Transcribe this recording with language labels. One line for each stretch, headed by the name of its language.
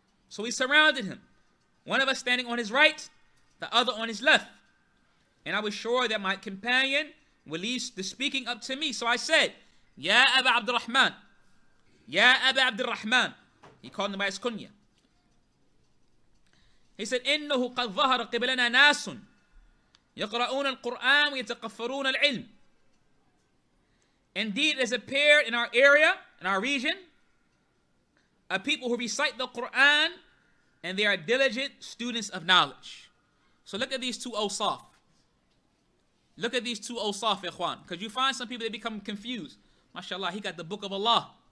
English: So we surrounded him, one of us standing on his right, the other on his left. And I was sure that my companion would leave the speaking up to me. So I said, Ya Aba Abdurrahman, Ya Aba Abdurrahman. He called him by his kunya. He said,
Arabic: إِنَّهُ قَدْ ظَهَرَ قِبْلَنَا نَاسٌ يَقْرَؤُونَ الْقُرْآنَ وَيَتَقَفَّرُونَ الْعِلْمِ.
English: Indeed, it has appeared in our area, in our region, a people who recite the Qur'an and they are diligent students of knowledge. So look at these two awsaf. Look at these two awsaf, ikhwan. Because you find some people, they become confused. MashaAllah, he got the book of Allah.